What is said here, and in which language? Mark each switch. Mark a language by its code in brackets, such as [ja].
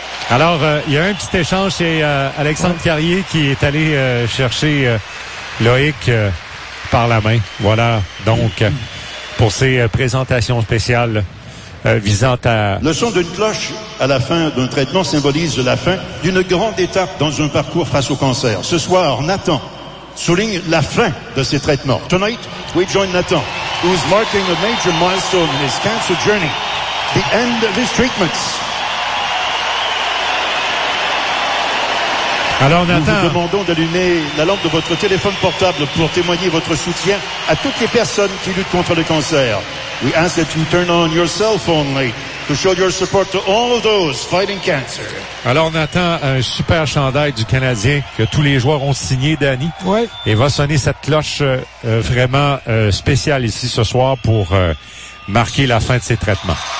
[fr] Alors, il y a un petit échange chez Alexandre Carrier qui est allé chercher Loïc par la main. Voilà, donc, pour ces présentations spéciales. Visant à... Le son d'une cloche à la fin d'un traitement symbolise la fin d'une grande étape dans un parcours face au cancer. Ce soir, Nathan souligne la fin de ses traitements. [en] Tonight, we join Nathan, who is marking a major milestone in his cancer journey, the end of his treatments. [fr] Alors, Nathan... Nous vous demandons d'allumer la lampe de votre téléphone portable pour témoigner votre soutien à toutes les personnes qui luttent contre le cancer. [en] We ask that you turn on your cell phone light to show your support to all of those fighting cancer. [fr] Alors, Nathan, un super chandail du Canadien que tous les joueurs ont signé, Danny. Oui. Et va sonner cette cloche vraiment spéciale ici ce soir pour marquer la fin de ses traitements.